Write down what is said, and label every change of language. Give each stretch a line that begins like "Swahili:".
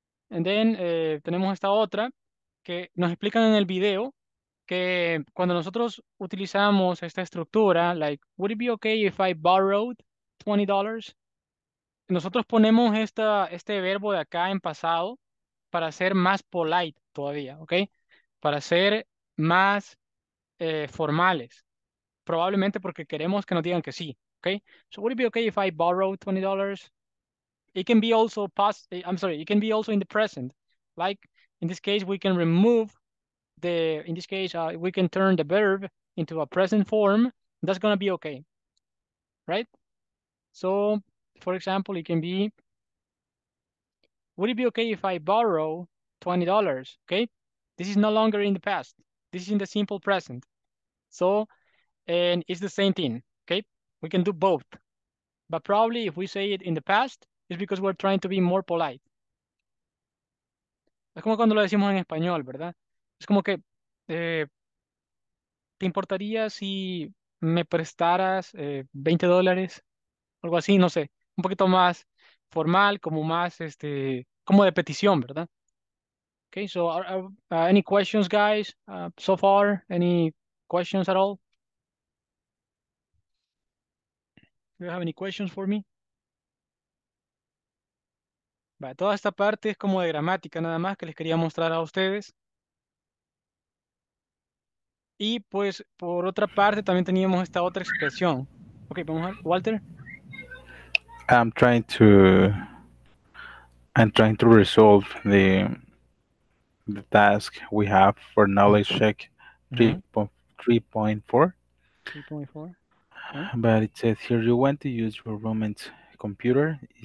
English: And then
Spanish: tenemos esta otra que nos explican en el video que cuando nosotros utilizamos esta estructura, like,
English: would it be okay if I borrowed $20?
Spanish: Nosotros ponemos este verbo de acá en pasado para ser más polite todavía, ¿ok? Para ser más formales. Probablemente porque queremos que nos digan que sí.
English: Okay, so would it be okay if I borrow $20? It can be also past, I'm sorry, it can be also in the present. Like in this case, we can remove the, in this case, we can turn the verb into a present form. That's gonna be okay, right? So for example, it can be, would it be okay if I borrow $20? Okay, this is no longer in the past. This is in the simple present. So, and it's the same thing. We can do both, but probably if we say it in the past, it's because we're trying to be more polite.
Spanish: Es como cuando lo decimos en español, ¿verdad? Es como que, ¿te importaría si me prestaras $20? Algo así, no sé, un poquito más formal, como más, como de petición, ¿verdad?
English: Okay, so any questions, guys, so far? Any questions at all? Do you have any questions for me?
Spanish: Vale, toda esta parte es como de gramática nada más que les quería mostrar a ustedes. Y pues por otra parte también teníamos esta otra expresión. Okay, vamos a ver. Walter.
English: I'm trying to resolve the task we have for knowledge check 3.4. 3.4. But it says here you want to use your roommate's computer.